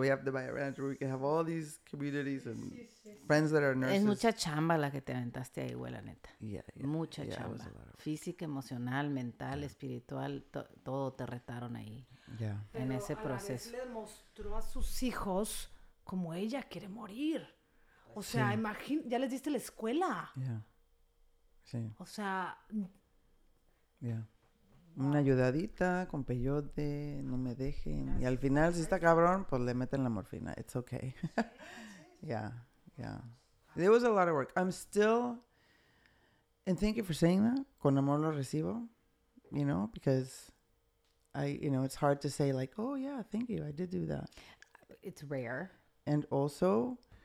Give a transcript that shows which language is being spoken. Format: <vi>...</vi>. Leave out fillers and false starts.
<en>We have to buy a ranch where we can have all these communities and friends that are nurses.</en> <es>Es mucha chamba la que te aventaste ahí, güey, la neta.</es> <en>Yeah,</en> <es>mucha chamba. Física, emocional, mental, espiritual, todo te retaron ahí.</es> <en>Yeah.</en> <es>Pero en ese proceso. A la vez le mostró a sus hijos como ella quiere morir. O sea, ya les diste la escuela.</es> <en>Yeah.</en> <es>Sí. O sea.</es> <en>Yeah.</en> <es>Una ayudadita con peyote, no me dejen. Y al final, si está cabrón, pues le meten la morfina.</es> <en>It's okay. Yeah. There was a lot of work. I'm still, and thank you for saying that,</en> <es>con amor lo recibo,</es> <en>you know, because I, you know, it's hard to say like, oh yeah, thank you, I did do that. It's rare. And also,</en>